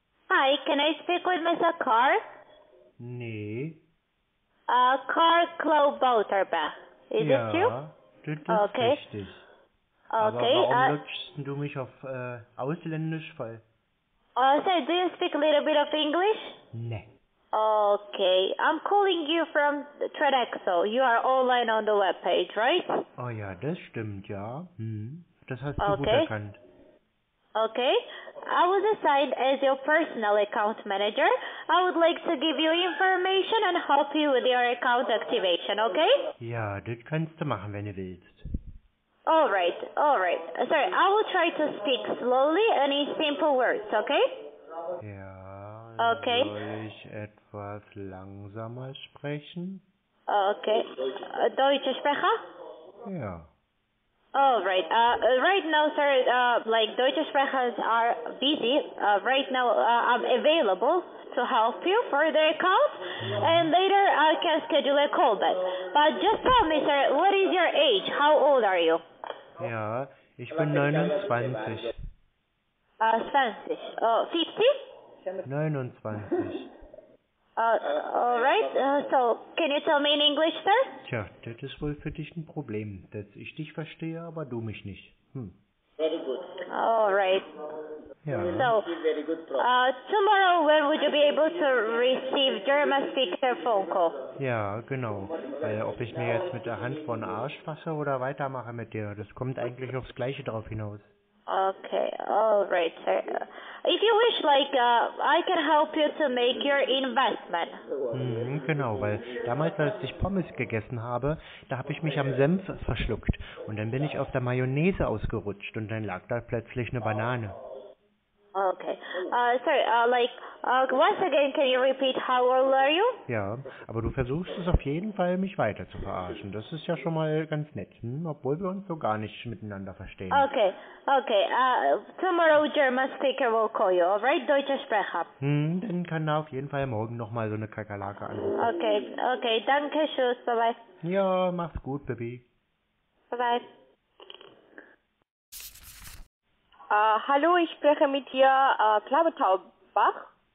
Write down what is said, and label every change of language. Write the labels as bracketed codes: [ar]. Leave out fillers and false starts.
[en] Hi, can I speak with Mr. Carr? [de] Nee. [en] Carr Klobotterbe. Is it you? [de] Das [en] okay. [de] Ist richtig. [en] Okay. [de] Aber warum nutzt du mich auf Ausländisch voll? [en] Say, do you speak a little bit of English? [de] Nee. [en] Okay, I'm calling you from Tradexo. You are online on the webpage, right? [de] Oh ja, das stimmt, ja. Das hast [en] okay. [de] du gut erkannt. [en] Okay, I was assigned as your personal account manager. I would like to give you information and help you with your account activation, okay? [de] Ja, das kannst du machen, wenn du willst. [en] All right. Sorry, I will try to speak slowly and in simple words, okay? [de] Ja. [en] Okay. [de] Soll ich etwas langsamer sprechen? Okay. Deutsche Sprecher? Ja. [en] Alright. Right now, sir, [de] Deutsche Sprechers [en] are busy. Right now, I'm available to help you for the account. And later, I can schedule a call back. But just tell me, sir, what is your age? How old are you? [de] Ja, ich bin 29. 20. 50? 29. [en] Alright, so, can you tell me in English, sir? [de] Tja, das ist wohl für dich ein Problem, dass ich dich verstehe, aber du mich nicht. [en] Very good. Alright. [de] Ja. [en] So, tomorrow, when would you be able to receive German speaker phone call? [de] Ja, genau. Weil, ob ich mir jetzt mit der Hand vor den Arsch fasse oder weitermache mit dir, das kommt eigentlich aufs Gleiche drauf hinaus. [en] Okay, alright, sir. If you wish, I can help you to make your investment. [de] Genau, weil damals, als ich Pommes gegessen habe, da habe ich mich am Senf verschluckt. Und dann bin ich auf der Mayonnaise ausgerutscht und dann lag da plötzlich eine Banane. [en] Okay, sorry, once again, can you repeat, how old are you? [de] Ja, aber du versuchst es auf jeden Fall, mich weiter zu verarschen. Das ist ja schon mal ganz nett, obwohl wir uns so gar nicht miteinander verstehen. [en] Okay, tomorrow German speaker will call you, alright, [de] Deutsche Sprecher. Dann kann er auf jeden Fall morgen nochmal so eine Kakerlake anrufen. Okay, danke, tschüss, bye-bye. Ja, mach's gut, Baby. [en] Bye-bye. [de] Hallo, ich spreche mit dir, Klabetaubach.